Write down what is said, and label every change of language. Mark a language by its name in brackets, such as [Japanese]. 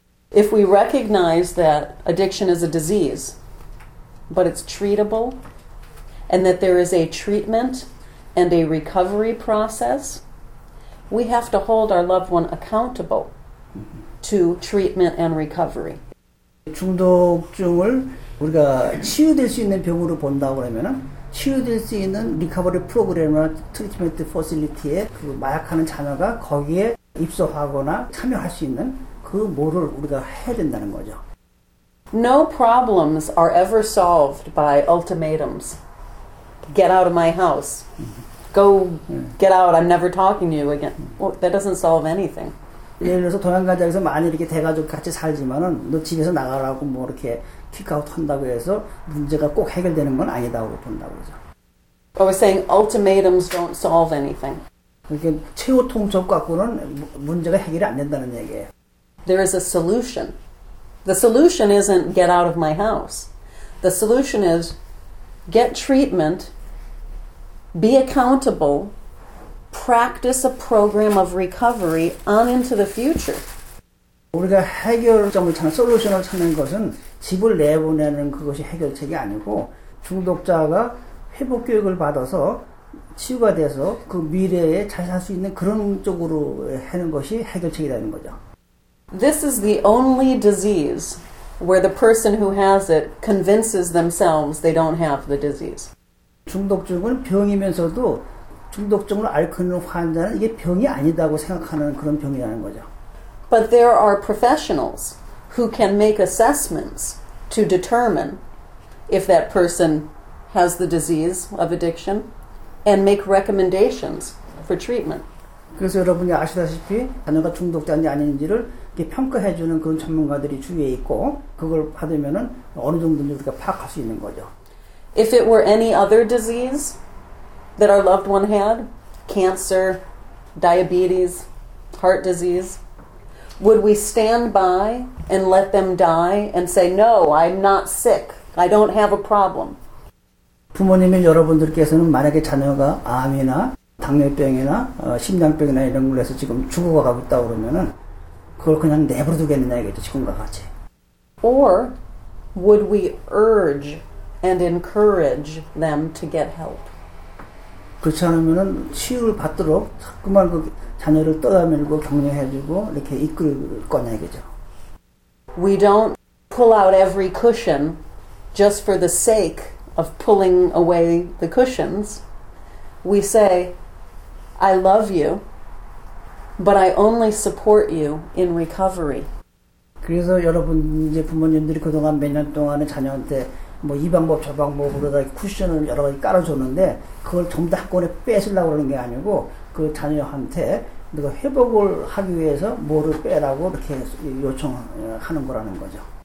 [English] If we recognize that addiction is a disease, but it's treatable, and that there is a treatment and a recovery process, we have to hold our loved one accountable to treatment and recovery. [Korean] 중독증을 우리가 치유될 수 있는 병으로 본다고 그러면은 치유될 수 있는 리커버리 프로그램이나 트리트먼트 퍼실리티에 그 마약하는 자녀가 거기에 입소하거나 참여할 수 있는 그 뭐를 우리가 해야 된다는 거죠. [English] No problems are ever solved by ultimatums. Get out of my house. Go get out. I'm never talking to you again. Well, that doesn't solve anything. [Korean] 예를 들어서 동양가정에서 많이 이렇게 대가족 같이 살지만은 너 집에서 나가라고 뭐 이렇게 킥아웃 한다고 해서 문제가 꼭 해결되는 건 아니다고 본다고 하죠. [English] I was saying ultimatums don't solve anything. [Korean] 그러니까 최후 통첩 갖고는 문제가 해결이 안 된다는 얘기예요. [English] There is a solution. The solution isn't get out of my house. The solution is get treatment, be accountable, practice a program of recovery on into the future. [Korean] 우리가 해결점을 찾는, 솔루션을 찾는 것은 집을 내보내는 그것이 해결책이 아니고 중독자가 회복 교육을 받아서 치유가 돼서 그 미래에 잘 살 수 있는 그런 쪽으로 하는 것이 해결책이라는 거죠. [English] This is the only disease where the person who has it convinces themselves they don't have the disease. [Korean] 중독증은 병이면서도 중독증을 앓는 환자는 이게 병이 아니다고 생각하는 그런 병이라는 거죠. [English] But there are professionals who can make assessments to determine if that person has the disease of addiction and make recommendations for treatment. [Korean] 그래서 여러분이 아시다시피 자녀가 중독자인지 아닌지를 이렇게 평가해주는 그런 전문가들이 주위에 있고 그걸 받으면 어느 정도인지 우리가 파악할 수 있는 거죠. [English] If it were any other disease that our loved one had, cancer, diabetes, heart disease, would we stand by and let them die and say, no, I'm not sick, I don't have a problem? [Korean] 부모님인 여러분들께서는 만약에 자녀가 암이나 당뇨병이나 심장병이나 이런 걸 해서 지금 죽어가고 있다 그러면은 그걸 그냥 내버려 두겠느냐 이거죠, 지금과 같이. [English] Or would we urge and encourage them to get help? [Korean] 그렇지 않으면은 치유를 받도록 자꾸만 그 자녀를 떠다밀고 격려해주고 이렇게 이끌 거냐 이거죠. [English] We don't pull out every cushion just for the sake of pulling away the cushions. We say, I love you, but I only support you in recovery. [Korean] 그래서 여러분 이제 부모님들이 그동안 몇 년 동안에 자녀한테 뭐 이 방법 저 방법으로 다 쿠션을 여러 가지 깔아줬는데 그걸 전부 다 한꺼번에 뺏으려고 그러는 게 아니고 그 자녀한테 내가 회복을 하기 위해서 뭐를 빼라고 이렇게 요청하는 거라는 거죠.